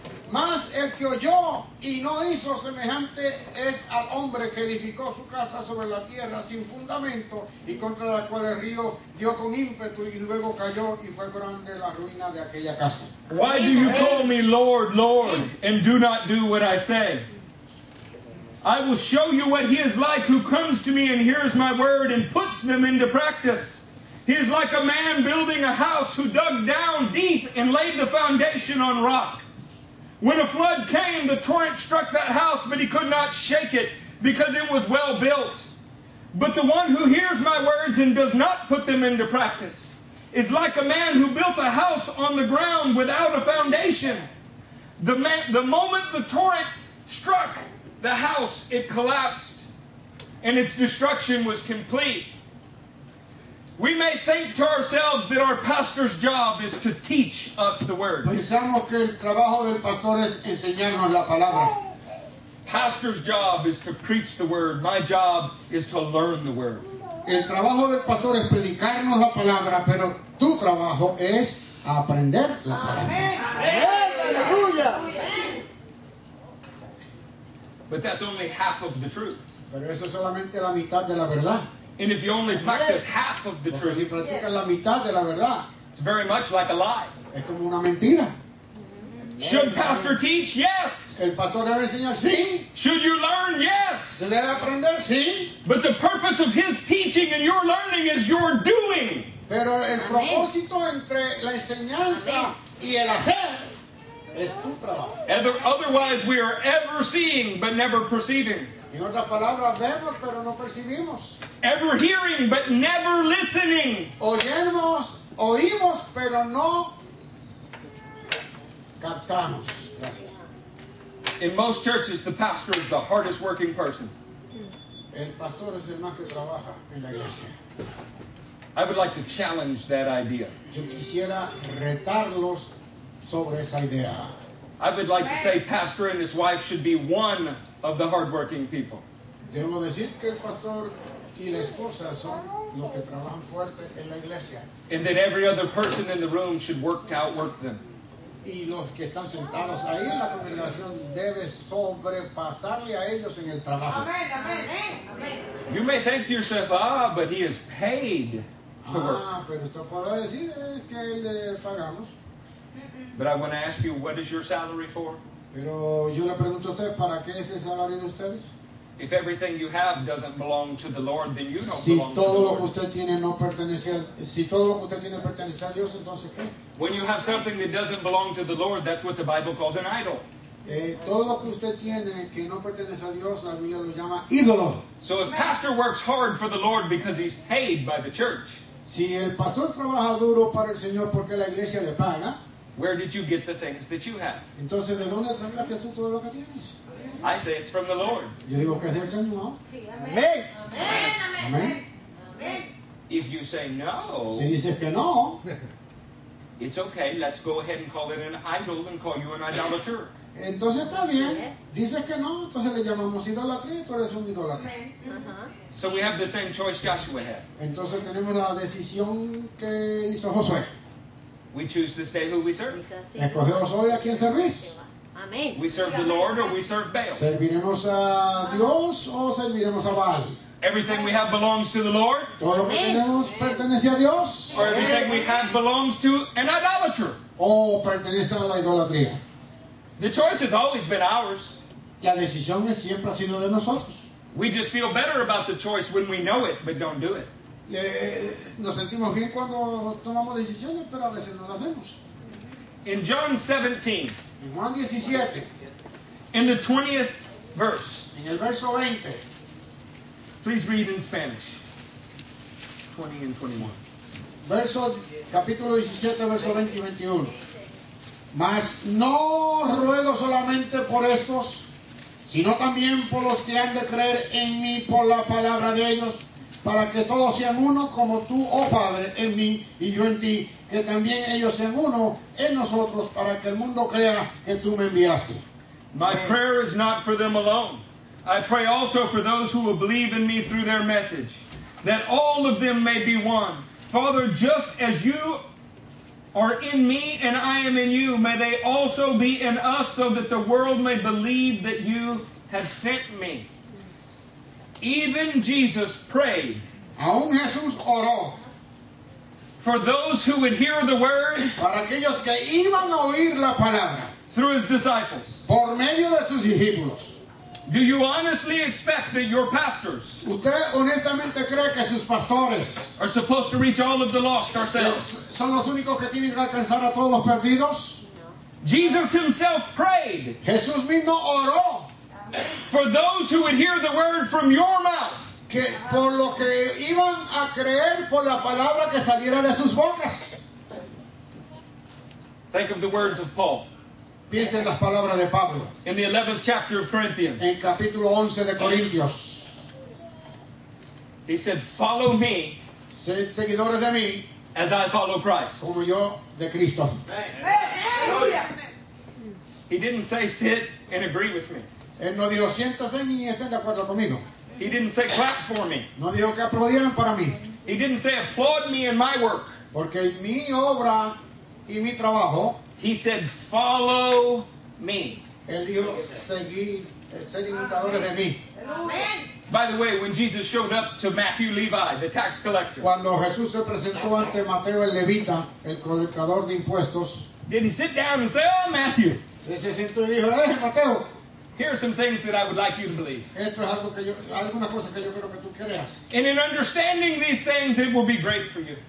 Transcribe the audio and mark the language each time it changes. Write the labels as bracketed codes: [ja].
[es] Mas el que oyó y no hizo semejante es al hombre que edificó su casa sobre la tierra sin fundamento, y contra la cual el río dio con ímpetu y luego cayó, y fue grande la ruina de aquella casa. [en] Why do you call me Lord, Lord, and do not do what I say? I will show you what he is like who comes to me and hears my word and puts them into practice. He is like a man building a house who dug down deep and laid the foundation on rock. When a flood came, the torrent struck that house, but he could not shake it because it was well built. But the one who hears my words and does not put them into practice is like a man who built a house on the ground without a foundation. The moment the torrent struck the house, it collapsed, and its destruction was complete. We may think to ourselves that our pastor's job is to teach us the word. [es] Pensamos que el trabajo del pastor es enseñarnos la palabra. [en] Pastor's job is to preach the word. My job is to learn the word. [es] El trabajo del pastor es predicarnos la palabra, pero tu trabajo es aprender la palabra. Amén. Aleluya. [en] But that's only half of the truth. [es] Pero eso es solamente la mitad de la verdad. [en] And if you only practice half of the truth, [es] si practicas la mitad de la verdad, [en] it's very much like a lie. [es] Es como una mentira. [en] Should pastor teach? Yes. [es] El pastor debe enseñar, sí. [en] Should you learn? Yes. [es] ¿Se debe aprender? Sí. [en] But the purpose of his teaching and your learning is your doing. [es] Pero el propósito entre la enseñanza y el hacer es tu trabajo. [en] Otherwise, we are ever seeing but never perceiving. [es] En otras palabras, vemos, pero no percibimos. [en] Ever hearing, but never listening. [es] Oyemos, oímos, pero no captamos. Gracias. [en] In most churches, the pastor is the hardest working person. [es] El pastor es el más que trabaja en la iglesia. [en] I would like to challenge that idea. [es] Yo quisiera retarlos sobre esa idea. [en] I would like to say pastor and his wife should be one of the hardworking people. [es] Debo decir que el pastor y la esposa son los que trabajan fuerte en la iglesia. [en] And that every other person in the room should work to outwork them. [es] Y los que están sentados ahí en la congregación debe sobrepasarle a ellos en el trabajo. [en] Amen, amen, amen. You may think to yourself, but he is paid to work. [es] Pero esto para decir es que le pagamos. [en] But I want to ask you, what is your salary for? [es] Pero yo le pregunto a usted, ¿para qué es el salario de ustedes? [en] If everything you have doesn't belong to the Lord, then you don't [es] si [en] belong [es] todo [en] to the [es] lo [en] Lord. [es] Que usted tiene no pertenece, si todo lo que usted tiene pertenece a Dios, entonces ¿qué? [en] When you have something that doesn't belong to the Lord, that's what the Bible calls an idol. [es] Todo lo que usted tiene que no pertenece a Dios, la Biblia lo llama ídolo. [en] So if pastor works hard for the Lord because he's paid by the church. [es] Si el pastor trabaja duro para el Señor porque la iglesia le paga. [en] Where did you get the things that you have? [es] Entonces, ¿de dónde sacaste tú todo lo que tienes? [en] I say it's from the Lord. [es] Yo digo que es del Señor. Sí, amén. Amén. Amén. Amén. Amén. Amén. [en] If you say no, [es] si dices que no, [en] it's okay. Let's go ahead and call it an idol and call you an idolater. [es] Entonces está bien. [en] Yes. [es] Dices que no, entonces le llamamos idolatría y tú eres un idólatra. [en] So we have the same choice Joshua had. [es] Entonces tenemos la decisión que hizo Josué. [en] We choose this day who we serve. [es] Escogemos hoy a quien servís. Amén. [en] We serve the Lord or we serve Baal. [es] ¿Serviremos a Dios o serviremos a Baal? [en] Everything we have belongs to the Lord. [es] Todo lo que tenemos pertenece a Dios. [en] Or everything we have belongs to an idolater. [es] O pertenece a la idolatría. [en] The choice has always been ours. [es] La decisión siempre ha sido de nosotros. [en] We just feel better about the choice when we know it but don't do it. [es] Nos sentimos bien cuando tomamos decisiones, pero a veces no las hacemos. [en] In John 17, [es] en Juan 17, [en] in the 20th verse, [es] en el verso 20, [en] please read in Spanish, 20 and 21. [es] Verso, capítulo 17, verso 20 y 21. Mas no ruego solamente por estos, sino también por los que han de creer en mí por la palabra de ellos, para que todos sean uno como tú, oh Padre, en mí y yo en ti, que también ellos sean uno en nosotros, para que el mundo crea que tú me enviaste. [en] My prayer is not for them alone. I pray also for those who will believe in me through their message, that all of them may be one. Father, just as you are in me and I am in you, may they also be in us so that the world may believe that you have sent me. Even Jesus prayed. [es] Aún Jesús oró. [en] For those who would hear the word. [es] Para aquellos que iban a oír la palabra. [en] Through his disciples. [es] Por medio de sus discípulos. [en] Do you honestly expect that your pastors. [es] Usted honestamente cree que sus pastores. [en] Are supposed to reach all of the lost ourselves. [es] Son los únicos que tienen que alcanzar a todos los perdidos. [en] Jesus himself prayed. [es] Jesús mismo oró. [en] For those who would hear the word from your mouth. [es] Que por lo que iban a creer por la palabra que saliera de sus bocas. [en] Think of the words of Paul. [es] Piensa en las palabras de Pablo. [en] In the 11th chapter of Corinthians. [es] En capítulo 11 de Corintios. [en] He said, follow me. [es] Sed seguidores de mí. [en] As I follow Christ. [es] Como yo de Cristo. [en] He didn't say sit and agree with me. [es] Él no dijo siéntase ni estén de acuerdo conmigo. [en] He didn't say clap for me. [es] No dijo que aplaudieran para mí. [en] He didn't say applaud me in my work. [es] Porque mi obra y mi trabajo. [en] He said follow me. [es] Él dijo ser imitadores de mí. [en] By the way, when Jesus showed up to Matthew Levi, the tax collector. [es] Cuando Jesús se presentó ante Mateo el Levita, el colectador de impuestos. [en] Did he sit down and say, oh, Matthew. [es] Se sentó y dijo, Mateo. [en] Here are some things that I would like you to believe. [es] Esto es algo que yo, alguna cosa que yo quiero que tú creas. [en] And in understanding these things, it will be great for you.